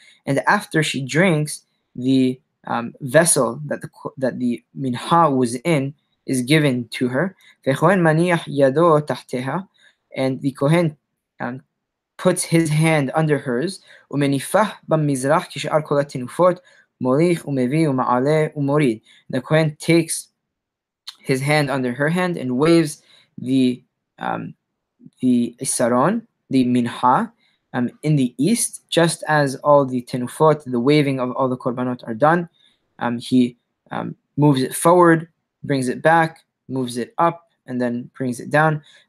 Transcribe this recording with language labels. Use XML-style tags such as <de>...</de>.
<en>and after she drinks, the vessel that the mincha was in is given to her.</en> <he>Ve'kohen maniach yado tahteha,</he> <en>and the kohen puts his hand under hers,</en> <he>ומניפה במזרח כשאר כל התנופות, מוליך ומביא ומעלה ומוריד.</he> <en>The Kohen takes his hand under her hand and waves the isaron, the mincha, in the east, just as all the tenufot, the waving of all the korbanot are done. He moves it forward, brings it back, moves it up, and then brings it down.</en>